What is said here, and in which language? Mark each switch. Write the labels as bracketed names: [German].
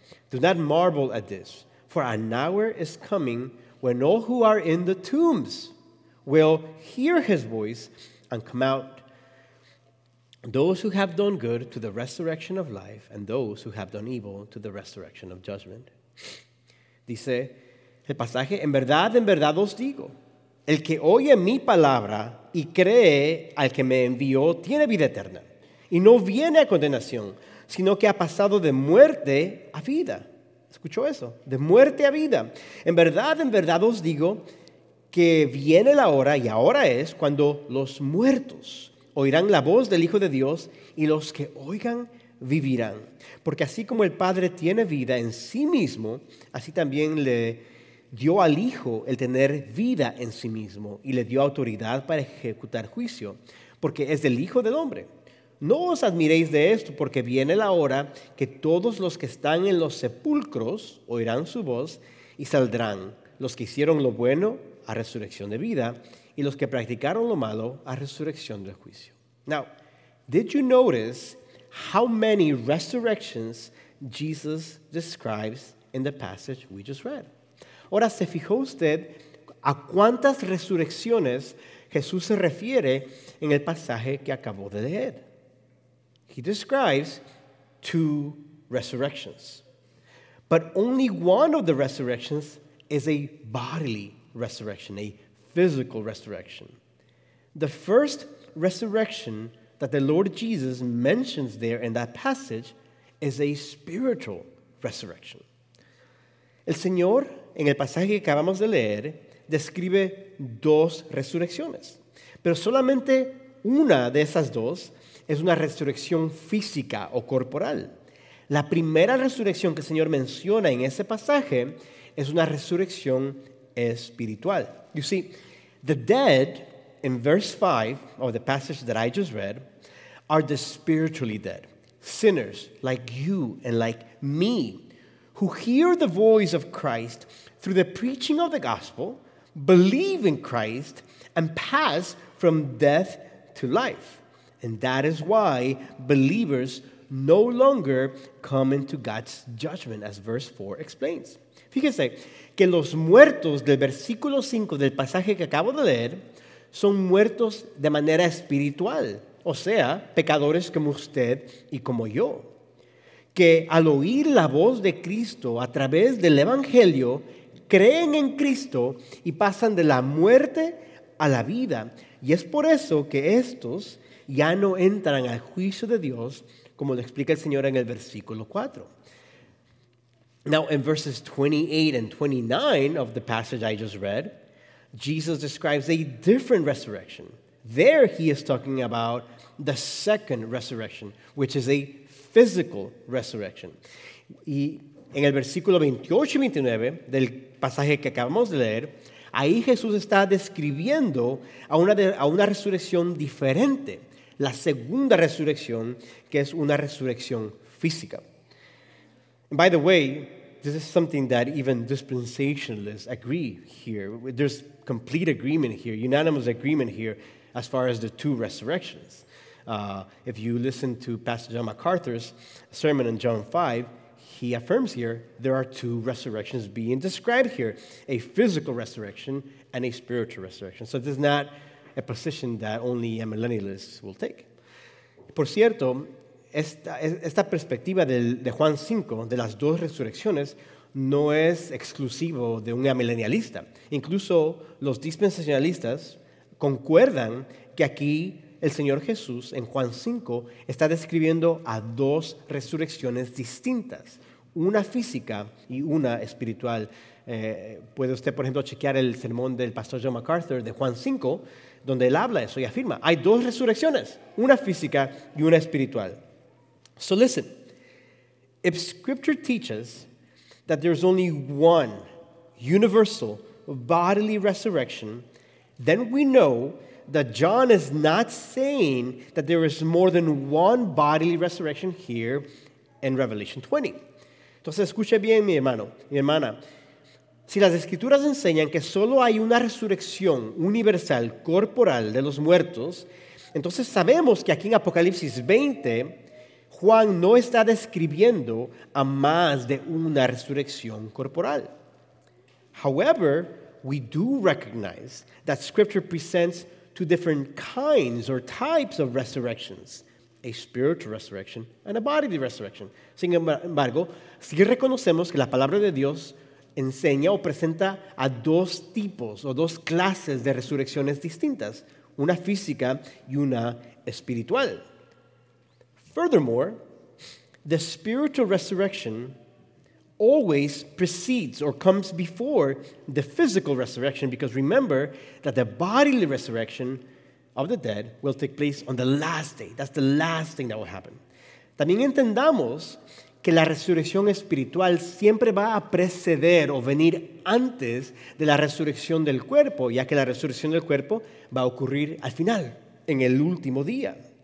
[English] Do not marvel at this, for an hour is coming when all who are in the tombs will hear his voice and come out, those who have done good to the resurrection of life, and those who have done evil to the resurrection of judgment." [Spanish] Dice el pasaje, en verdad os digo, el que oye mi palabra y cree al que me envió tiene vida eterna, y no viene a condenación, sino que ha pasado de muerte a vida. ¿Escuchó eso? De muerte a vida. En verdad os digo que viene la hora, y ahora es, cuando los muertos oirán la voz del Hijo de Dios, y los que oigan vivirán. Porque así como el Padre tiene vida en sí mismo, así también le dio al Hijo el tener vida en sí mismo y le dio autoridad para ejecutar juicio, porque es del Hijo del Hombre. No os admiréis de esto, porque viene la hora que todos los que están en los sepulcros oirán su voz y saldrán, los que hicieron lo bueno a resurrección de vida y los que practicaron lo malo a resurrección del juicio. [English] Now, did you notice how many resurrections Jesus describes in the passage we just read? [Spanish] Ahora, ¿se fijó usted a cuántas resurrecciones Jesús se refiere en el pasaje que acabó de leer? [English] He describes 2 resurrections. But only one of the resurrections is a bodily resurrection, a physical resurrection. The first resurrection that the Lord Jesus mentions there in that passage is a spiritual resurrection. [Spanish] El Señor, en el pasaje que acabamos de leer, describe 2 resurrecciones. Pero solamente una de esas 2 es una resurrección física o corporal. La primera resurrección que el Señor menciona en ese pasaje es una resurrección espiritual. [English] You see, the dead, in verse 5 of the passage that I just read, are the spiritually dead, sinners like you and like me, who hear the voice of Christ through the preaching of the gospel, believe in Christ, and pass from death to life. And that is why believers no longer come into God's judgment, as verse 4 explains. [Spanish] Fíjense que los muertos del versículo 5 del pasaje que acabo de leer son muertos de manera espiritual, o sea, pecadores como usted y como yo, que al oír la voz de Cristo a través del Evangelio, creen en Cristo y pasan de la muerte a la vida. Y es por eso que estos ya no entran al juicio de Dios, como lo explica el Señor en el versículo 4. [English] Now, in verses 28 and 29 of the passage I just read, Jesus describes a different resurrection. There he is talking about the second resurrection, which is a physical resurrection. [Spanish] Y en el versículo 28 y 29 del pasaje que acabamos de leer, ahí Jesús está describiendo a una resurrección diferente, la segunda resurrección, que es una resurrección física. [English] And by the way, this is something that even dispensationalists agree here. There's complete agreement here, unanimous agreement here, as far as the 2 resurrections. If you listen to Pastor John MacArthur's sermon in John 5, he affirms here there are 2 resurrections being described here, a physical resurrection and a spiritual resurrection. So this is not a position that only amillennialists will take. [Spanish] Por cierto, esta perspectiva de Juan 5, de las 2 resurrecciones, no es exclusivo de un amilenialista. Incluso los dispensacionalistas concuerdan que aquí el Señor Jesús, en Juan 5, está describiendo a 2 resurrecciones distintas, una física y una espiritual. Puede usted, por ejemplo, chequear el sermón del pastor John MacArthur de Juan 5, donde él habla eso y afirma, hay 2 resurrecciones, una física y una espiritual. [English] So listen, if Scripture teaches that there's only one universal bodily resurrection, then we know that John is not saying that there is more than one bodily resurrection here in Revelation 20. [Spanish] Entonces, escuche bien, mi hermano, mi hermana. Si las Escrituras enseñan que solo hay una resurrección universal, corporal, de los muertos, entonces sabemos que aquí en Apocalipsis 20, Juan no está describiendo a más de una resurrección corporal. [English] However, we do recognize that Scripture presents 2 different kinds or types of resurrections, a spiritual resurrection and a bodily resurrection. [Spanish] Sin embargo, sí reconocemos que la palabra de Dios enseña o presenta a 2 tipos o 2 clases de resurrecciones distintas, una física y una espiritual. [English] Furthermore, the spiritual resurrection always precedes or comes before the physical resurrection, because remember that the bodily resurrection of the dead will take place on the last day. That's the last thing that will happen. [Spanish] También entendamos que la resurrección espiritual siempre va a preceder o venir antes de la resurrección del cuerpo, ya que la resurrección del cuerpo va a ocurrir al final, en el último día.